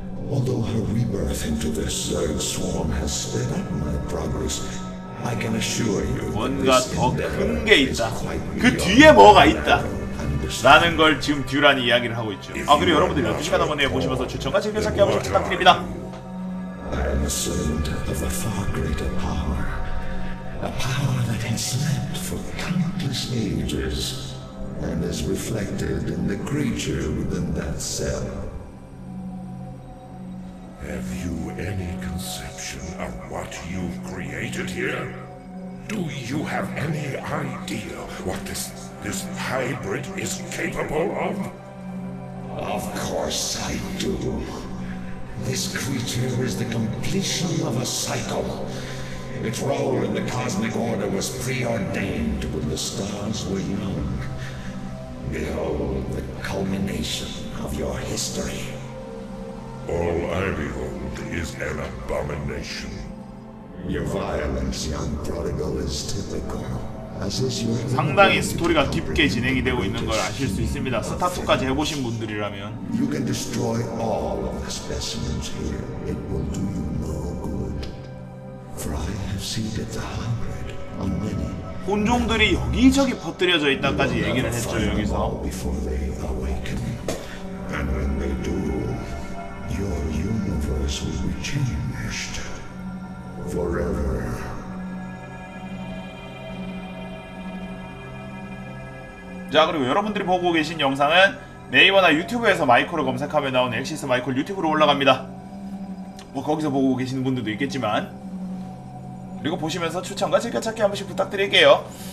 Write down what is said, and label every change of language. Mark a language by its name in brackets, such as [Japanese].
[English] Although her rebirth into this Zerg swarm has sped up my progress, I can assure you. [Korean] 뭔가 더 큰 게 있다. 그 뒤에 뭐가 있다. 라는 걸 지금 듀란이 이야기를 하고 있죠. 아, 그리고 여러분들 12시간 한번 내보시면서 추천과 즐겨 찾기 한번 부탁드립니다. [English] I am a servant of a far greater power. A power that has slept for countless ages and is reflected in the creature within that cell. Have you any conception of what you've created here? Do you have any idea what this hybrid is capable of? Of course I do. This creature is the completion of a cycle. Its role in the cosmic order was preordained when the stars were young. Behold the culmination of your history. All I behold is an abomination. Your violence, young prodigal, is typical. [Korean] 상당히 스토리가 깊게 진행이 되고 있는 걸 아실 수 있습니다. 스타트까지 해보신 분들이라면. [English] You can destroy all of the specimens here. It will do you no good. For I have seeded the hybrid on many. [Korean] 혼종들이 여기저기 퍼뜨려져 있다까지 얘기를 했죠, 여기서. [English] Before they awaken, and when they do, your universe will be changed forever. [Korean] 자, 그리고 여러분들이 보고 계신 영상은 네이버나 유튜브에서 마이콜을 검색하면 나오는 엑시스 마이콜 유튜브로 올라갑니다. 뭐 거기서 보고 계시는 분들도 있겠지만, 그리고 보시면서 추천과 즐겨찾기 한 번씩 부탁드릴게요.